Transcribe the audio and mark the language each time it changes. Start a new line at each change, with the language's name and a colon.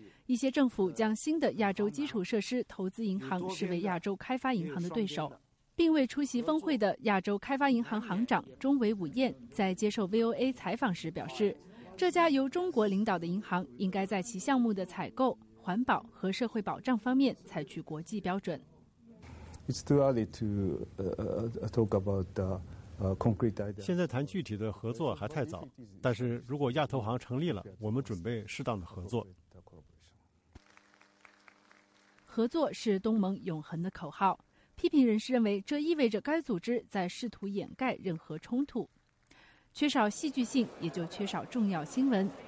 Chinese: 一些政府将新的亚洲基础设施投资银行视为亚洲开发银行的对手。并未出席峰会的亚洲开发银行行长钟伟武彦在接受 VOA 采访时表示，这家由中国领导的银行应该在其项目的采购、环保和社会保障方面采取国际标准。
English: It's too early to talk about the concrete idea.
Chinese: 现在谈具体的合作还太早，但是如果亚投行成立了，我们准备适当的合作。合作是东盟永恒的口号。批评人士认为，这意味着该组织在试图掩盖任何冲突，缺少戏剧性，也就缺少重要新闻。